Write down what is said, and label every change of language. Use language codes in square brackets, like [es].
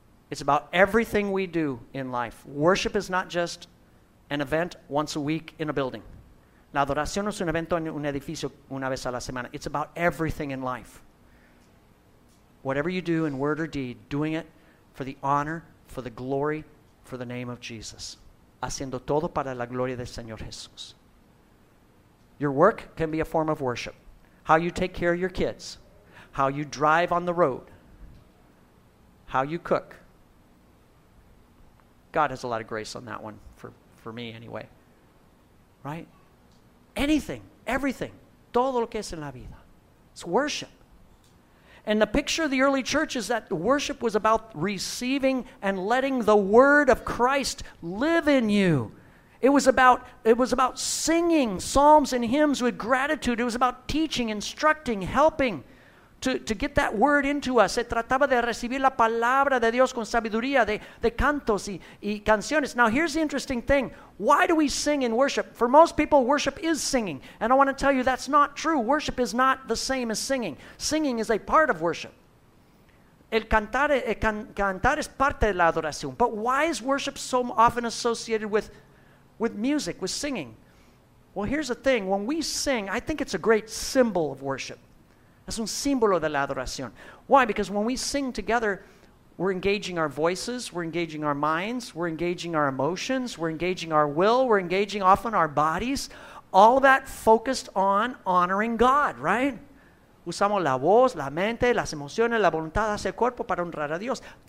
[en] It's about everything we do in life. Worship is not just an event once a week in a building. [es] La adoración no es un evento en un edificio una vez a la semana. [en] It's about everything in life. Whatever you do in word or deed, doing it for the honor, for the glory, for the name of Jesus. [es] Haciendo todo para la gloria del Señor Jesús. [en] Your work can be a form of worship. How you take care of your kids. How you drive on the road. How you cook. God has a lot of grace on that one, for me anyway. Right? Anything, everything, [es] todo lo que es en la vida. [en] It's worship. And the picture of the early church is that worship was about receiving and letting the word of Christ live in you. It was about singing psalms and hymns with gratitude. It was about teaching, instructing, helping. to get that word into us. [es] Se trataba de recibir la palabra de Dios con sabiduría de cantos y canciones. [en] Now here's the interesting thing. Why do we sing in worship? For most people, worship is singing. And I want to tell you that's not true. Worship is not the same as singing. Singing is a part of worship. [es] El cantar es parte de la adoración. [en] But why is worship so often associated with music, with singing? Well, here's the thing. When we sing, I think it's a great symbol of worship. [es] Es un símbolo de la adoración. [en] Why? Because when we sing together, we're engaging our voices, we're engaging our minds, we're engaging our emotions, we're engaging our will, we're engaging often our bodies. All of that focused on honoring God, right? [es] Usamos la voz, la mente, las emociones, la voluntad, hacia el cuerpo para honrar a Dios.